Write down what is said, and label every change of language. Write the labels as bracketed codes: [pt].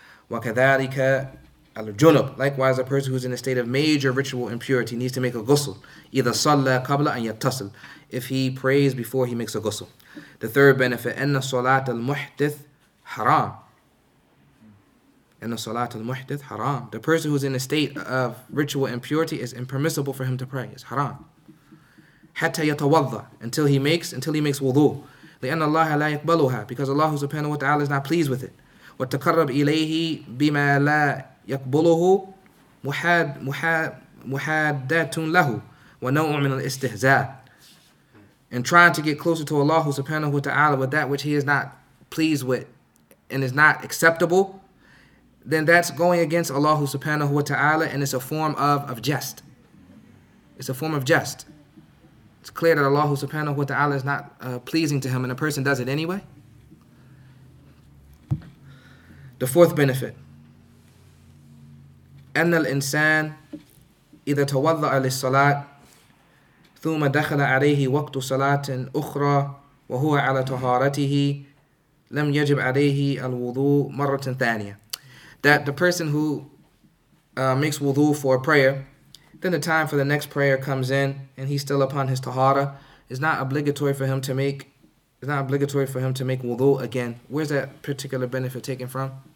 [ar] وَكَذَٰلِكَ الْجُنُبُ, [en] likewise, a person who's in a state of major ritual impurity needs to make a ghusl. [ar] إِذَا صَلَّى قَبْلَ أَنْ يَتَّصِلْ, [en] if he prays before he makes a ghusl. The third benefit, [ar] أَنَّ صَلَاتَ الْمُحْدِثْ حَرَامٌ. أَنَّ صَلَاتَ الْمُحْدِثْ حَرَامٌ. [en] The person who's in a state of ritual impurity is impermissible for him to pray. It's haram. [ar] حَتَّى يَتَوَضَّى, [en] until he makes wudu. [ar] لِأَنَّ اللَّهَ لَا يَقْبَلُهَا, [en] because Allah subhanahu wa ta'ala is not pleased with it. [ar] وَالتَّقَرَّبْ إِلَيْهِ بِمَا لَا يَقْبُلُهُ مُحَادَّةٌ لَهُ وَنَوْعٌ مِنَ الْإِسْتِهْزَاءِ. [en] And trying to get closer to Allah subhanahu wa ta'ala with that which he is not pleased with and is not acceptable, then that's going against Allah subhanahu wa ta'ala, and it's a form of jest. it's clear that Allah subhanahu wa ta'ala is not pleasing to him, and a person does it anyway. The fourth benefit. [ar] أن الإنسان إذا توضأ للصلاة ثم دخل عليه وقت صلاة أخرى وهو على طهارته لم يجب عليه الوضوء مرة ثانية. [en] That the person who makes wudu for a prayer, then the time for the next prayer comes in and he's still upon his tahara, it's not obligatory for him to make wudu again. Where's that particular benefit taken from?